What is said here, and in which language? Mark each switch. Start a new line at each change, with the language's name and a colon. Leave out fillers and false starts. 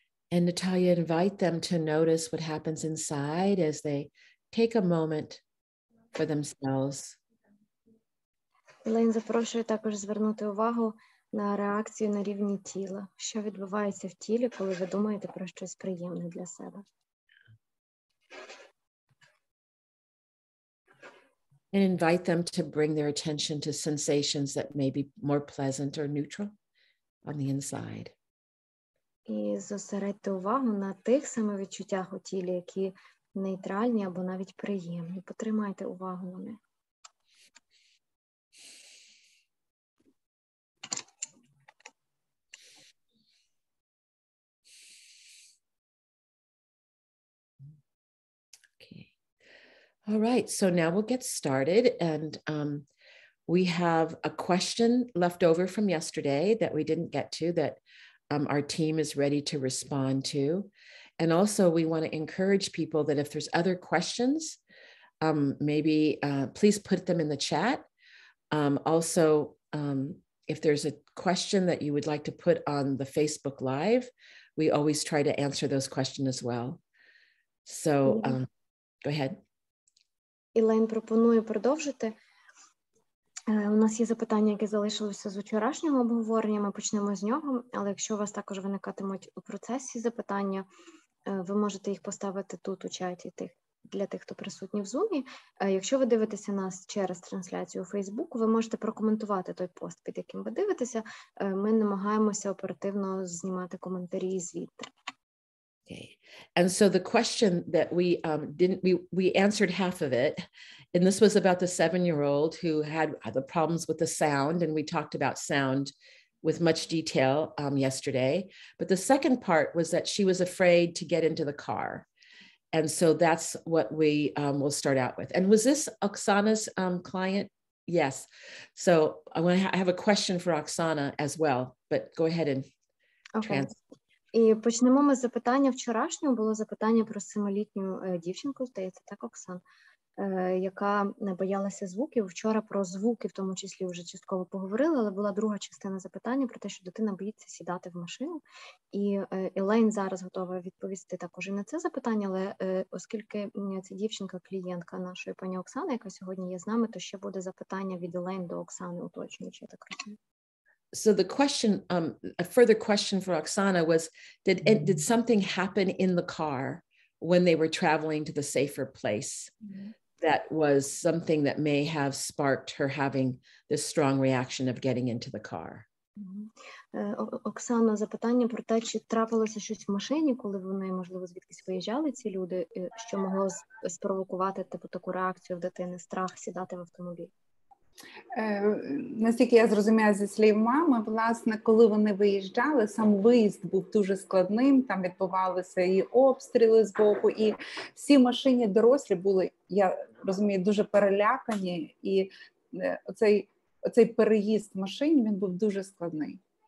English: And Natalia, invite them to notice what happens inside as they take a moment for themselves.
Ukrainian: Лен запрошує також звернути увагу на реакцію на рівні тіла. Що відбувається в тілі, коли ви думаєте про щось приємне для себе?
English: And invite them to bring their attention to sensations that may be more pleasant or neutral on the inside.
Ukrainian: І зосередити увагу на тих самих відчуттях у тілі, які нейтральні або навіть приємні. Потримайте увагу на них.
English: All right, so now we'll get started, and we have a question left over from yesterday that we didn't get to that our team is ready to respond to. And also we want to encourage people that if there's other questions, please put them in the chat. If there's a question that you would like to put on the Facebook Live, we always try to answer those questions as well. So go ahead.
Ukrainian: Ілейн, пропоную продовжити. У нас є запитання, які залишилися з вчорашнього обговорення, ми почнемо з нього, але якщо у вас також виникатимуть у процесі запитання, ви можете їх поставити тут у чаті для тих, хто присутній в Зумі. Якщо ви дивитеся нас через трансляцію у Фейсбуку, ви можете прокоментувати той пост, під яким ви дивитеся. Ми намагаємося оперативно знімати коментарі звідти.
English: Okay. And so the question that we answered half of it, and this was about the 7-year-old who had the problems with the sound, and we talked about sound with much detail yesterday. But the second part was that she was afraid to get into the car. And so that's what we will start out with. And was this Oksana's client? Yes. So I want to have a question for Oksana as well, but go ahead and translate.
Ukrainian: І почнемо ми з запитання вчорашнього. Було запитання про 7-літню дівчинку, здається, так, Оксан, яка боялася звуків. Вчора про звуки, в тому числі, вже частково поговорили, але була друга частина запитання про те, що дитина боїться сідати в машину. І Елейн зараз готова відповісти також і на це запитання, але оскільки ця дівчинка – клієнтка нашої пані Оксани, яка сьогодні є з нами, то ще буде запитання від Елейн до Оксани уточнюючи, так розумію.
English: So the question, a further question for Oksana was, did something happen in the car when they were traveling to the safer place that was something that may have sparked her having this strong reaction of getting into the car?
Ukrainian: Оксана, запитання про те, чи трапилося щось в машині, коли вони, можливо, звідкись виїжджали ці люди, що могло спровокувати типу таку реакцію в дитини, страх сідати в автомобіль? Наскільки я зрозуміла зі слів мами, власне, коли вони виїжджали, сам виїзд був дуже складним, там відбувалися і обстріли з боку, і всі машини дорослі були, я розумію, дуже перелякані, і оцей переїзд машин, він був дуже складний.